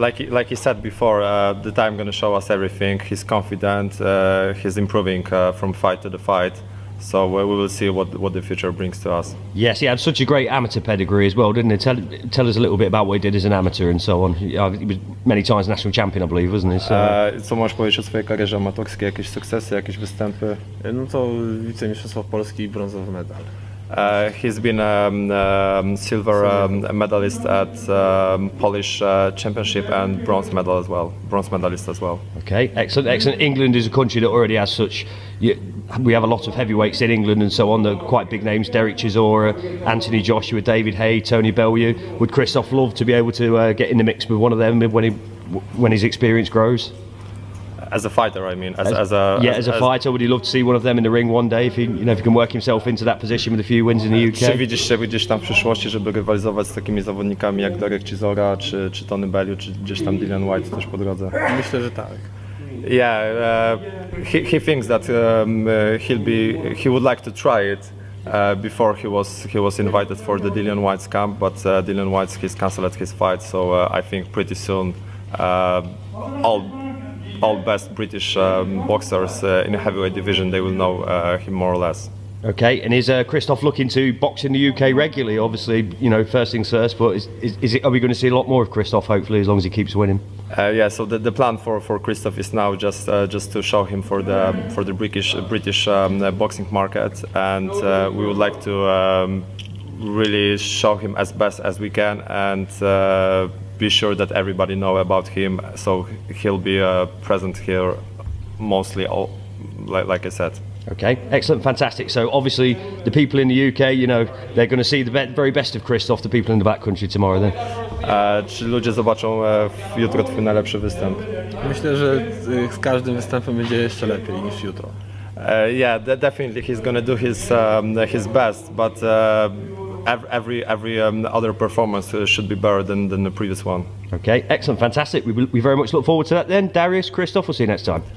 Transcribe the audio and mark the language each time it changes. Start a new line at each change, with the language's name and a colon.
English: Like he said before, the time gonna show us everything. He's confident, he's improving from fight to the fight. So we will see what the future brings to us. Yes, he had such a great amateur pedigree as well, didn't he? Tell us a little bit about what he did as an amateur and so on. He was many times national champion, I believe, wasn't he?
Polish: Co możesz powiedzieć o swojej karierze amatorskiej? Jakieś sukcesy, jakieś występy? No to wicemistrzostwo Polski i brązowy medal.
English: He's been a silver medalist at Polish championship and bronze medalist as well. Okay, excellent. England is a country that already has such, we have a lot of heavyweights in England and so on, the quite big names, Derek Chisora, Anthony Joshua, David Hay, Tony Bellew. Would Krzysztof love to be able to get in the mix with one of them when his experience grows? As a fighter, I mean, as a fighter, would he love to see one of them in the ring one day? If he can work himself into that position with a few wins in the UK.
Polish: Czy widzisz się gdzieś tam w przyszłości, żeby rywalizować z takimi zawodnikami jak Derek Chisora, czy Tony Bellew, czy gdzieś tam Dylan White też po drodze? Myślę, że tak.
English: Yeah, he thinks that he would like to try it before he was invited for the Dylan White's camp, but Dylan White's cancelled his fight, so I think pretty soon all best British boxers in the heavyweight division, they will know him more or less. Okay, and is Kryzyszof looking to box in the UK regularly? Obviously, you know, first things first, but are we going to see a lot more of Kryzyszof, hopefully, as long as he keeps winning? Yeah, so the plan for Kryzyszof is now just to show him for the British boxing market, and we would like to really show him as best as we can, and be sure that everybody know about him, so he'll be present here mostly, like I said. Okay, excellent, fantastic. So obviously the people in the UK, you know, they're going to see the very best of Kryzyszof, the people in the back country tomorrow then.
Polish: Czy ludzie zobaczą jutro twój najlepszy występ? Myślę, że z każdym występem będzie jeszcze lepiej niż jutro.
English: Yeah, definitely he's going to do his best, but every other performance should be better than the previous one. Okay, excellent, fantastic. We very much look forward to that then. Dariusz, Kryzyszof, we'll see you next time.